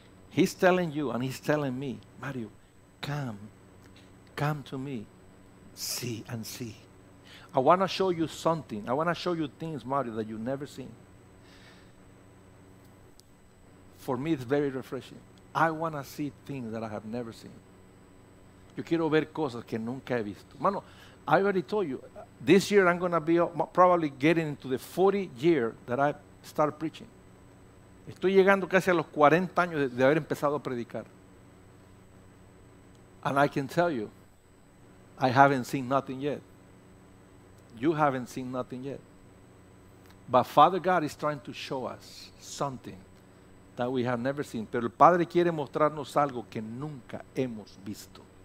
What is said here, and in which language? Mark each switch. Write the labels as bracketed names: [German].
[English] He's telling you and he's telling me, Mario, come to me, see and see. I want to show you something. I want to show you things, Mario, that you've never seen. For me, it's very refreshing. I want to see things that I have never seen. [Spanish] Yo quiero ver cosas que nunca he visto. [English] Mano, I already told you, this year I'm going to be probably getting into the 40 year that I start preaching. [Spanish] Estoy llegando casi a los 40 años de haber empezado a predicar. [English] And I can tell you, I haven't seen nothing yet. You haven't seen nothing yet. But Father God is trying to show us something that we have never seen. [Spanish] Pero el Padre quiere mostrarnos algo que nunca hemos visto.